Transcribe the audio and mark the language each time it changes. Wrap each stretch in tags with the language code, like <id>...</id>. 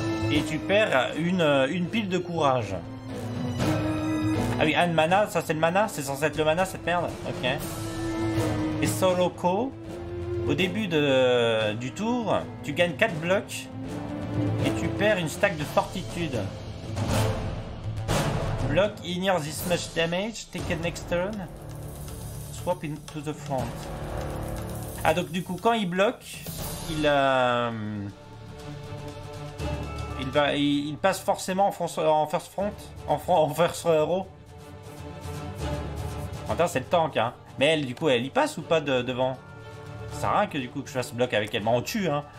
<fr>Et tu perds une pile de courage. Ah oui, un de mana, ça c'est le mana, c'est censé être le mana cette merde. Ok. Et Soloko, au début du tour, tu gagnes 4 blocs et tu perds une stack de fortitude.</fr> <en>Block ignore this much damage, take it next turn, swap into the front.</en> <fr>Ah donc du coup, quand il bloque, il passe forcément en first row. C'est le tank, hein. Mais elle, du coup, elle y passe ou pas devant? Ça sert à rien que du coup que je fasse bloc avec elle. Mais on tue, hein.</fr>